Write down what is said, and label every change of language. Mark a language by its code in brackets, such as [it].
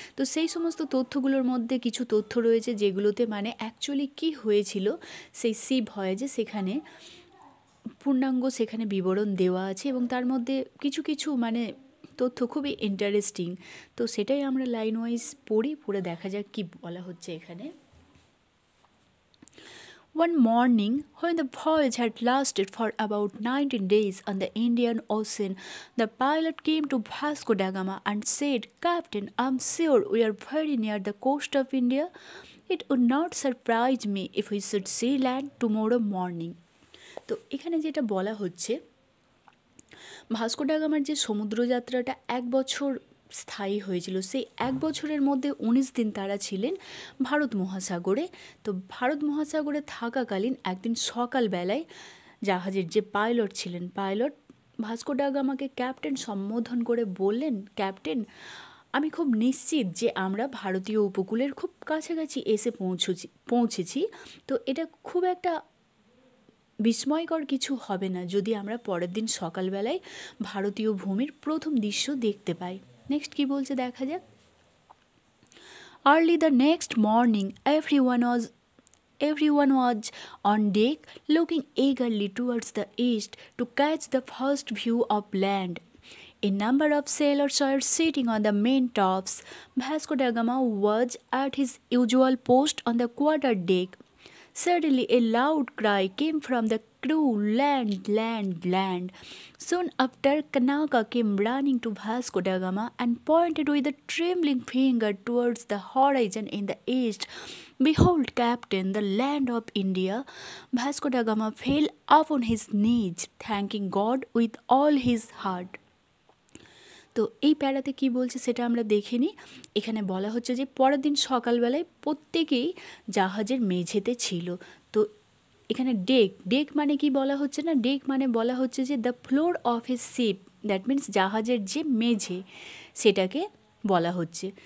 [bn] তো সেই সমস্ত তথ্যগুলোর মধ্যে কিছু তথ্য রয়েছে যেগুলোতে মানে অ্যাকচুয়ালি কী হয়েছিল সেই সি ভয়েজে সেখানে পূর্ণাঙ্গ সেখানে বিবরণ দেওয়া আছে এবং তার মধ্যে কিছু কিছু মানে তথ্য খুবই ইন্টারেস্টিং। তো সেটাই আমরা লাইন ওয়াইজ পড়ি, পড়ে দেখা যাক কী বলা হচ্ছে এখানে। [en] One morning, when the voyage had lasted for about 19 days on the Indian Ocean, the pilot came to Vasco da Gama and said, "Captain, I'm sure we are very near the coast of India. It would not surprise me if we should see land tomorrow morning." [bn] তো এখানে যেটা বলা হচ্ছে Vasco da গামার যে সমুদ্রযাত্রাটা এক বছর স্থায়ী হয়েছিল সেই এক বছরের মধ্যে 19 দিন তারা ছিলেন ভারত মহাসাগরে। তো ভারত মহাসাগরে থাকাকালীন একদিন সকালবেলায় জাহাজের যে পাইলট ছিলেন পাইলট ভাস্কো দা গামাকে ক্যাপ্টেন সম্বোধন করে বললেন, "ক্যাপ্টেন, আমি খুব নিশ্চিত যে আমরা ভারতীয় উপকূলের খুব কাছাকাছি এসে পৌঁছেছি। তো এটা খুব একটা বিস্ময়কর কিছু হবে না যদি আমরা পরের দিন সকালবেলায় ভারতীয় ভূমির প্রথম দৃশ্য দেখতে পাই। [en] next [bn] কী বলছে দেখা যাক। [en] Early the next morning everyone was on deck looking eagerly towards the east to catch the first view of land. A number of sailors are sitting on the main tops. Vasco da Gama was at his usual post on the quarter deck. Suddenly a loud cry came from the crew, "Land, land, land." Soon after, Kanaka came running to Vasco da Gama and pointed with a trembling finger towards the horizon in the east. "Behold, Captain, the land of India." Vasco da Gama fell upon his knees, thanking God with all his heart. [bn] তো এই প্যারাতে কি বলছে সেটা আমরা দেখে নিই। এখানে বলা হচ্ছে যে পরের দিন সকালবেলায় প্রত্যেকেই জাহাজের মেঝেতে ছিল। তো এখানে ডেক মানে কি বলা হচ্ছে না, ডেক মানে বলা হচ্ছে যে [en] the floor of a ship, that means [bn] জাহাজের যে মেঝে সেটাকে বলা হচ্ছে।